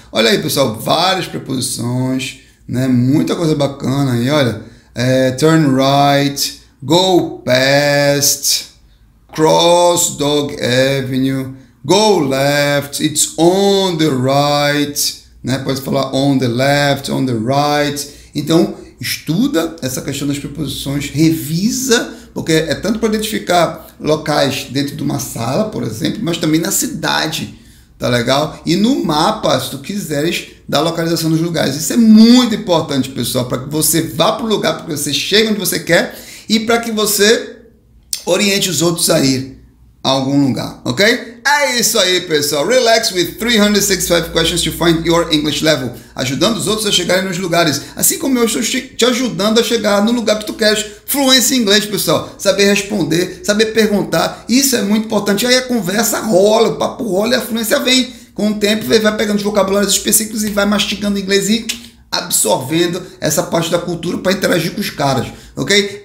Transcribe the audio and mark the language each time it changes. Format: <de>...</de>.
<pt>Olha aí, pessoal, várias preposições, né? Muita coisa bacana aí, olha.</pt> <en>É, turn right, go past, cross Dog Avenue, go left, it's on the right, né?</en> <pt>Pode falar</pt> <en>on the left, on the right.</en> <pt>Então, estuda essa questão das preposições, revisa, porque é tanto para identificar locais dentro de uma sala, por exemplo, mas também na cidade. Tá legal? E no mapa, se tu quiseres, da localização dos lugares. Isso é muito importante, pessoal, para que você vá para o lugar, para que você chegue onde você quer e para que você oriente os outros a ir a algum lugar, ok? É isso aí, pessoal.</pt> <en>Relax with 365 questions to find your English level.</en> <pt>Ajudando os outros a chegarem nos lugares. Assim como eu estou te ajudando a chegar no lugar que tu queres. Fluência em inglês, pessoal. Saber responder, saber perguntar. Isso é muito importante. Aí a conversa rola, o papo rola e a fluência vem. Com o tempo, vai pegando os vocabulários específicos e vai mastigando inglês e absorvendo essa parte da cultura para interagir com os caras, ok?</pt>